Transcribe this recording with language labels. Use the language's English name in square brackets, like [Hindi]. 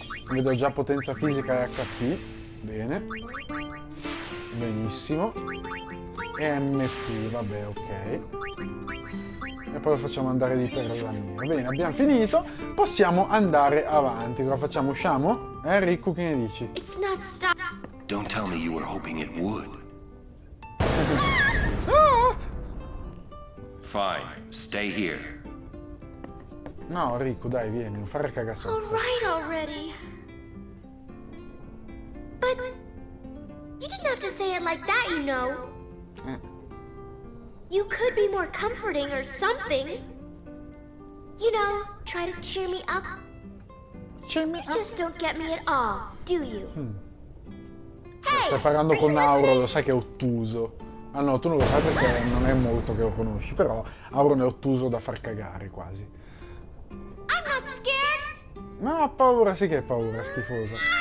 [Italian] Vedo già potenza fisica e HP. Bene, benissimo. MP, vabbè, ok. E poi lo facciamo andare di per la mia. Bene, abbiamo finito. Possiamo andare avanti. Cosa facciamo? Usciamo? Riku, che ne dici? [English] It's not stop. Don't tell me you were hoping it would. Fine, stay here. [Italian] No, Riku, dai, vieni, non fare cagasotto. [English] All right already. You didn't have to say it like that, you know. You could be more comforting or something. You know, try to cheer me up. Cheer me up. You just don't get me at all, do you? Hey, [Italian] stai parlando con Auro, lo sai che è ottuso. Ah no, tu non lo sai perché non è molto che lo conosci, però Auro è ottuso da far cagare quasi. [English] I'm not scared. [Italian] Ma ha paura, sì che è paura, schifosa.